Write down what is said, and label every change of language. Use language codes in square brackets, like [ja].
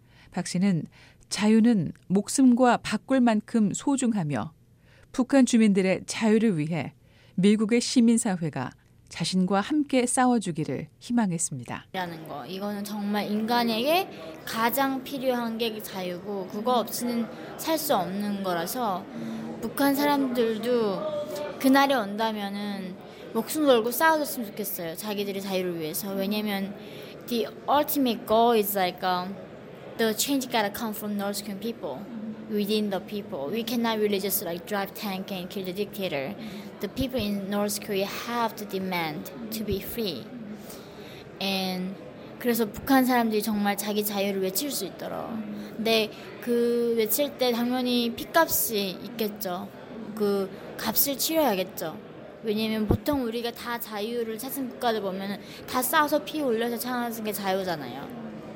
[ko] 박 씨는 자유는 목숨과 바꿀 만큼 소중하며 북한 주민들의 자유를 위해 미국의 시민사회가 자신과 함께 싸워주기를 희망했습니다. 라는 거, 이거는 정말 인간에게 가장 필요한 게 자유고 그거 없이는 살 수 없는 거라서 북한 사람들도 그날이 온다면은 목숨 걸고 싸워줬으면 좋겠어요. 자기들의 자유를 위해서. 왜냐면 [en] the ultimate goal is like the change gotta come from North Korean people. Within the people, we cannot really just like drive tank and kill the dictator. The people in North Korea have to demand to be free. And [ko] 그래서 북한 사람들이 정말 자기 자유를 외칠 수 있도록. 근데 그 외칠 때 당연히 피값이 있겠죠. 그 값을 치러야겠죠. 왜냐면 보통 우리가 다 자유를 찾은 국가들 보면 다 싸워서 피 올려서 찾는 게 자유잖아요.